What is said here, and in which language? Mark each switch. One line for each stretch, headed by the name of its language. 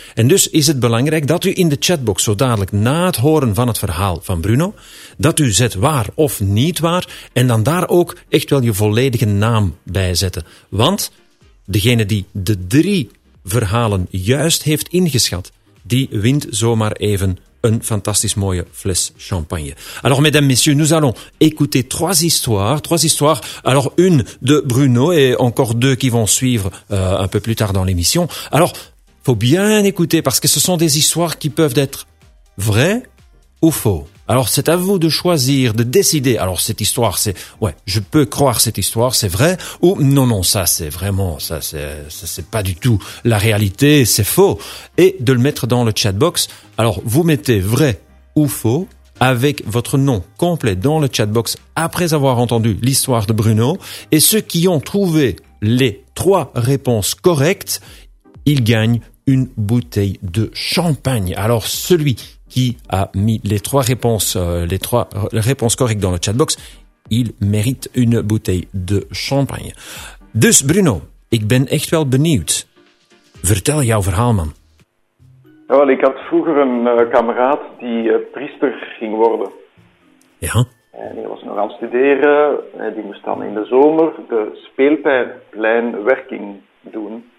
Dutch: En dus is het belangrijk dat u in de chatbox zo dadelijk na het horen van het verhaal van Bruno, dat u zet waar of niet waar en dan daar ook echt wel je volledige naam bij zetten. Want degene die de drie verhalen juist heeft ingeschat, die wint zomaar even een fantastisch mooie fles champagne.
French: Alors, mesdames, messieurs, nous allons écouter trois histoires. Alors, une de Bruno et encore deux qui vont suivre un peu plus tard dans l'émission. Alors, faut bien écouter parce que ce sont des histoires qui peuvent être vraies ou faux. Alors, c'est à vous de choisir, de décider. Alors, cette histoire, c'est... Ouais, je peux croire cette histoire, c'est vrai. Ou non, non, ça, c'est vraiment... Ça, c'est pas du tout la réalité, c'est faux. Et de le mettre dans le chatbox. Alors, vous mettez vrai ou faux avec votre nom complet dans le chatbox après avoir entendu l'histoire de Bruno. Et ceux qui ont trouvé les trois réponses correctes, ils gagnent une bouteille de champagne. Alors, celui... qui a mis les trois réponses correctes dans le chatbox, il mérite une bouteille de champagne.
Dutch: Dus Bruno, ik ben echt wel benieuwd. Vertel jouw verhaal, man. Ja, wel, ik had vroeger een kameraad die priester ging worden. Ja? En hij was nog aan studeren. En die moest dan in de zomer de speelpleinwerking doen.